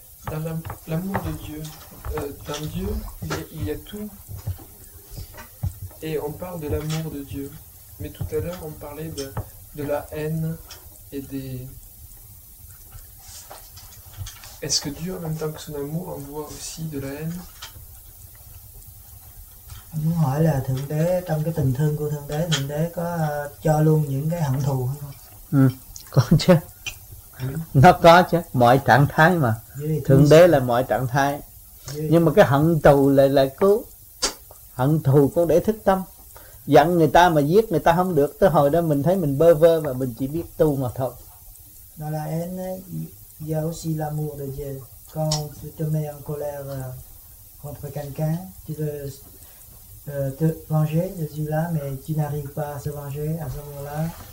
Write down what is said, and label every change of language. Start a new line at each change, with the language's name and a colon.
French: Dans l'amour de Dieu, dans Dieu, il y a tout. Et on parle de l'amour de Dieu. Mais tout à l'heure, on parlait de la haine et des... Est-ce que Dieu, en même temps que son amour, envoie aussi de la haine?
Vietnamese: Anh muốn hỏi là Thượng Đế, trong cái tình thương của Thượng Đế có cho luôn những cái hận thù hay không? Có chứ. Nó có chứ, mọi trạng thái mà. Thượng Đế là mọi trạng thái. Nhưng mà cái hận thù lại là cứu. Hận thù con để thức tâm. Giận người ta mà giết người ta không được. Tới hồi đó mình thấy mình bơ vơ và mình chỉ biết tu mà thôi. Đó là em ấy,
French: il y a aussi l'amour de Dieu. Quand tu te mets en colère contre quelqu'un, tu veux te venger de celui-là, mais tu n'arrives pas à se venger à ce moment-là.